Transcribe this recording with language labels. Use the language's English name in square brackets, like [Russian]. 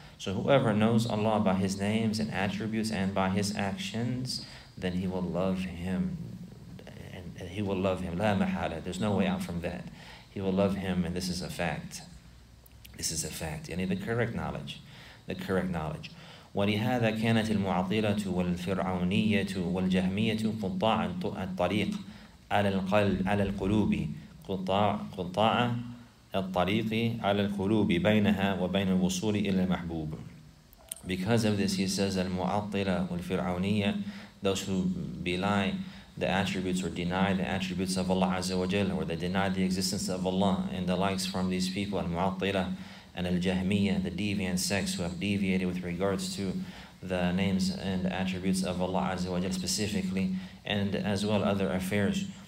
[English] So whoever knows Allah by his names and attributes and by his actions, then he will love him. And he will love him. [Arabic] لا محالة. [English] There's no way out from that. He will love him, and this is a fact. This is a fact. Yani the correct knowledge. [Arabic] ولهذا كانت المعطلة والفرعونية والجهمية قطاع الطريق على القلب على القلوب قطاع الطريق على القلوب بينها وبين الوصول إلى المحبوب. [English] Because of this, he says, المعطلة والفرعونية, those who belie the attributes or deny the attributes of Allah Azza wa Jalla, or they deny the existence of Allah, and the likes from these people, Al-Mu'attila and Al-Jahmiyyah, the deviant sects who have deviated with regards to the names and attributes of Allah Azza wa Jalla specifically, and as well other affairs,